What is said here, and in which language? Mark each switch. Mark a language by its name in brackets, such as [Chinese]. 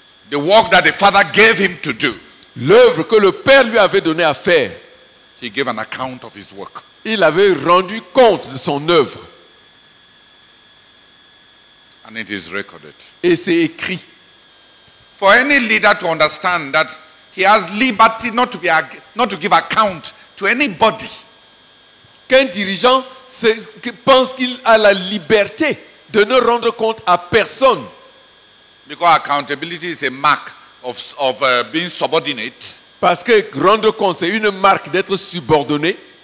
[English] The work that the Father gave him to do. [French] L'œuvre que le Père lui avait donné à faire. [English] He gave an account of his work. [French] Il avait rendu compte de son œuvre. [English] And it is recorded. [French] Et c'est écrit. [English] For any leader to understand that he has liberty not to give account to anybody. [French] Qu'un dirigeant pense qu'il a la liberté de ne rendre compte à personne. [English] Because accountability is a mark of being subordinate. [French] Parce que rendre compte, c'est une marque d'être subordonné.